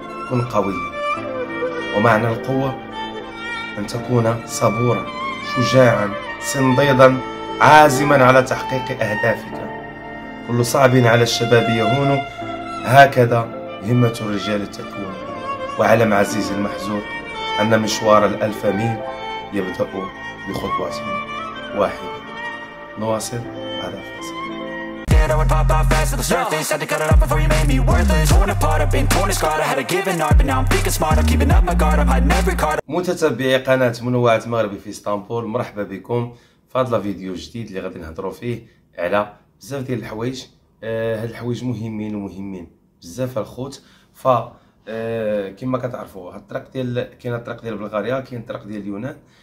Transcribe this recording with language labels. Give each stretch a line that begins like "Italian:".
Arabic: كن قويا، ومعنى القوة أن تكون صبورا، شجاعا، صنديدا، عازما على تحقيق أهدافك. كل صعب على الشباب يهون، هكذا همة الرجال تكون. وعلم عزيزي المحزون أن مشوار الألف ميل يبدأ بخطوات واحدة. نواصل على فاصل.
English: I would pop out fast at the surface. Had to cut it off before you made me worthless. Torn apart, I've been torn and scarred. I had a given heart, but now I'm thinking smart. I'm keeping up my guard. I'm hiding every card.
Arabic: متتبعي قناة منوعة مغربي في إسطنبول، مرحبا بكم في هذا الفيديو الجديد اللي غادي نهضروا فيه على بزاف ديال الحوايج. هاد الحوايج مهمين ومهمين بزاف الخوت. ف كما كتعرفوا هاد الطريق ديال، كاين الطريق ديال بلغاريا، كاين الطريق ديال اليونان.